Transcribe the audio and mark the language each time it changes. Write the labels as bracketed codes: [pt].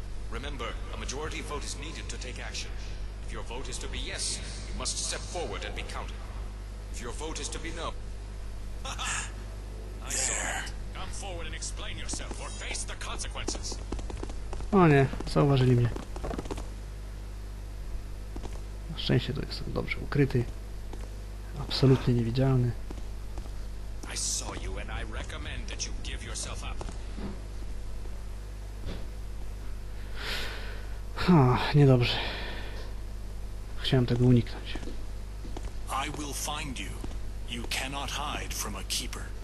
[en] Remember, a majority vote is needed to take action. If your vote is to be yes, you must step forward and be counted. If your vote is to be no... I saw it. Come forward and explain yourself, or face the consequences. [pl] O nie, zauważyli mnie. Na szczęście tu jestem dobrze ukryty. Absolutnie niewidzialny. [en] I saw you and I recommend that you give yourself up. [pl] Ha, niedobrze. Chciałem tego uniknąć. [en] I will find you. You cannot hide from a keeper.